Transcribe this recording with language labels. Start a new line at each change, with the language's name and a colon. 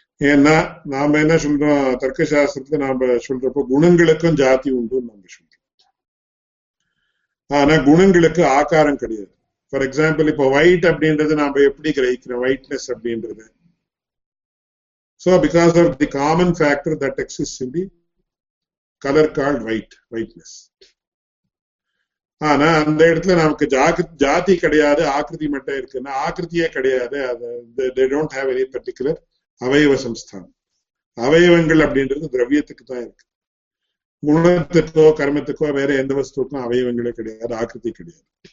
Tamil: ஏன்னா நாம என்ன சொல்றோம், தர்க்கசாஸ்திரத்துல நாம சொல்றப்போ குணங்களுக்கும் ஜாதி உண்டுன்னு நம்ம சொல்றோம். ஆனா குணங்களுக்கு ஆகாரம் கிடையாது.
English: for example
Tamil: இப்ப ஒயிட் அப்படின்றது நாம எப்படி கிரகிக்கிறோம், ஒயிட்னஸ் அப்படின்றது.
English: So because of the common factor that exists in the color called white, whiteness.
Tamil: ஆனா அந்த இடத்துல நமக்கு ஜாதி கிடையாது, ஆக்கிருதி மட்டும் இருக்குன்னா ஆக்கிருத்தியே கிடையாது.
English: They don't have any particular அவயவ சம்ஸ்தானம்.
Tamil: அவயவங்கள் அப்படின்றது திரவியத்துக்கு தான் இருக்கு. குணத்துக்கோ கர்மத்துக்கோ வேற எந்த வஸ்துக்கும் அவயவங்களே கிடையாது, ஆக்கிருதி கிடையாது.